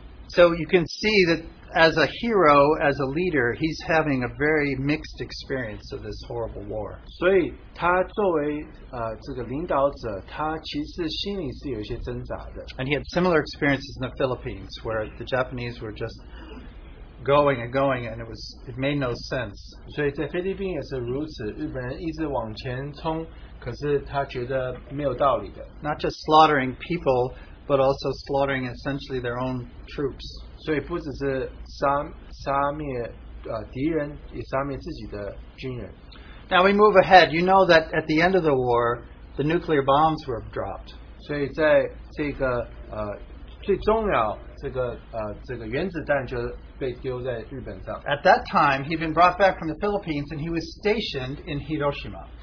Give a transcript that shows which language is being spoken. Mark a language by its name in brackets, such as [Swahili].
[English] So you can see that as a hero, as a leader, he's having a very mixed experience of this horrible war. [Chinese] 所以他作为这个领导者，他其实心里是有一些挣扎的。 [English] And he had similar experiences in the Philippines, where the Japanese were just going and going, and it made no sense. [Chinese] 所以在菲律宾也是如此，日本人一直往前冲，可是他觉得没有道理的。 [English] Not just slaughtering people, but also slaughtering essentially their own troops. [Chinese] 所以不只是杀灭敌人，也杀灭自己的军人。 [English] Now we move ahead. You know that at the end of the war, the nuclear bombs were dropped. [Chinese] 所以在这个最重要这个原子弹就被丢在日本上。 [English] At that time, he'd been brought back from the Philippines, and he was stationed in Hiroshima.